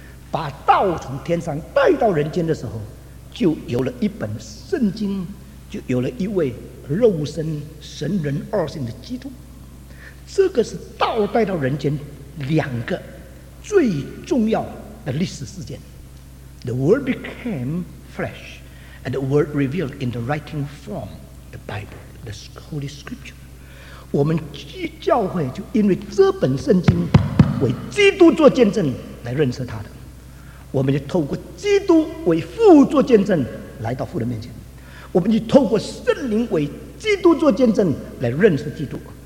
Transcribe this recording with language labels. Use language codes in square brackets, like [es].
[zh] 把道从天上带到人间的时候，就有了一本圣经，就有了一位肉身神人二性的基督。这个是道带到人间两个最重要的历史事件。 [en] The word became flesh and the word revealed in the writing form the Bible, the Holy Scripture。 [zh] 我们教会就因为这本圣经为基督做见证来认识他的，我们就透过基督为父做见证来到父的面前，我们就透过圣灵为基督做见证来认识基督。